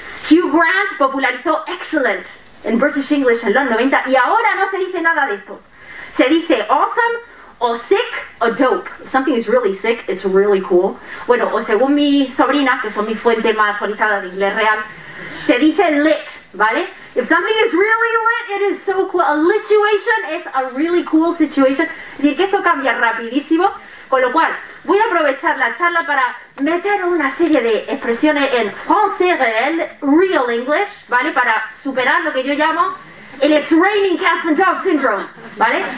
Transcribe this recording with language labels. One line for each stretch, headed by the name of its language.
Spanish: Hugh Grant popularizó excellent en British English en los 90, y ahora no se dice nada de esto. Se dice awesome, o sick, o dope.
English: Something is really sick, it's really cool.
Spanish: Bueno, o según mi sobrina, que son mi fuente más actualizada de inglés real, se dice lit, ¿vale?
English: If something is really lit, it is so cool. A lituation is a really cool situation.
Spanish: Es decir, que esto cambia rapidísimo, con lo cual voy a aprovechar la charla para meter una serie de expresiones en francés real, real English, ¿vale? Para superar lo que yo llamo el it's raining cats and dogs syndrome, ¿vale?